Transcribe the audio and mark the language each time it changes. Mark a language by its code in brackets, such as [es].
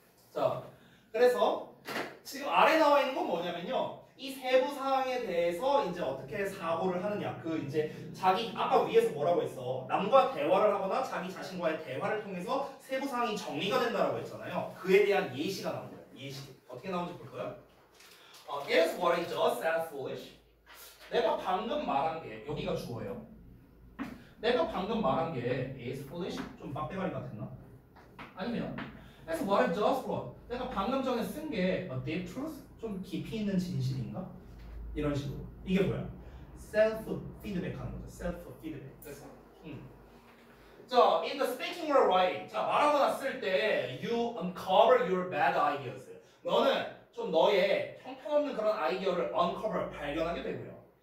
[ko] 자, 그래서 지금 아래 나와 있는 건 뭐냐면요, 이 세부 사항에 대해서 이제 어떻게 사고를 하느냐. 그 이제 자기, 아까 위에서 뭐라고 했어? 남과 대화를 하거나 자기 자신과의 대화를 통해서 세부 사항이 정리가 된다라고 했잖아요. 그에 대한 예시가 나온 거예요. 예시. 어떻게 나오는지 볼까요? [en] Guess what I just said foolish. [ko] 내가 방금 말한 게, 여기가 주어예요. 내가 방금 말한 게 [en] is foolish? [ko] 좀 빡대가리 같았나? [en] 아니면 Guess what I just wrote. [ko] 내가 방금 전에 쓴게 [en] a deep truth? [ko] 좀 깊이 있는 진실인가? 이런 식으로. 이게 뭐야? 셀프 피드백 하는 거죠. 셀프 피드백. 됐어? [en] 자, in the speaking or writing. 자, [ko] 말하거나 쓸 때, [en] you uncover your bad ideas. [ko] 너는 좀 너의 형편없는 그런 아이디어를 uncover, 발견하게 되고요.